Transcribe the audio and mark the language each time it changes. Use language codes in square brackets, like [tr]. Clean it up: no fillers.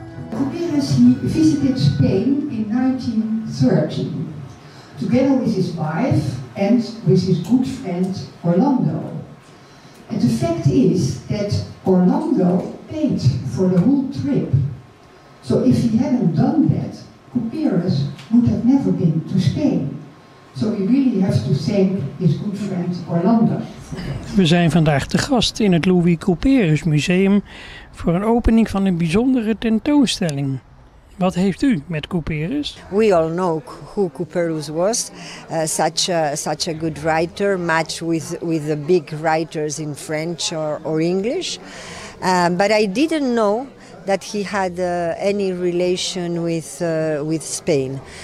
[en] Couperus visited Spain in 1913, together with his wife and with his good friend Orlando. And the fact is that Orlando paid for the whole trip. So if he hadn't done that, Couperus would have never been to Spain. So we really have to thank his good friend Orlando. [nl] We zijn vandaag te gast in het Louis Couperus Museum voor een opening van een bijzondere tentoonstelling. Wat heeft u met Couperus? [en] We all know who Couperus was, such a good writer, much with the big writers in French or English. But I didn't know that he had any relation with Spain.